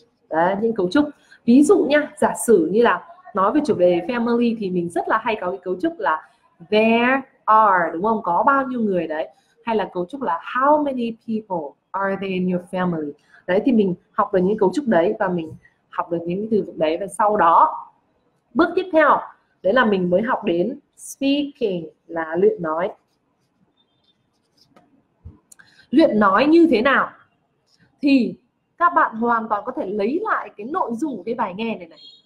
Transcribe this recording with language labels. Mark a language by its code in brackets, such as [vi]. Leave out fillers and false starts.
[vi] Đấy, những cấu trúc. Ví dụ nha, giả sử như là nói về chủ đề family thì mình rất là hay có cái cấu trúc là there are, đúng không? Có bao nhiêu người đấy. Hay là cấu trúc là [en] how many people are there in your family. [vi] Đấy, thì mình học được những cấu trúc đấy và mình học được những từ vựng đấy. Và sau đó, bước tiếp theo, đấy là mình mới học đến speaking, là luyện nói. Luyện nói như thế nào? Thì các bạn hoàn toàn có thể lấy lại cái nội dung của cái bài nghe này này.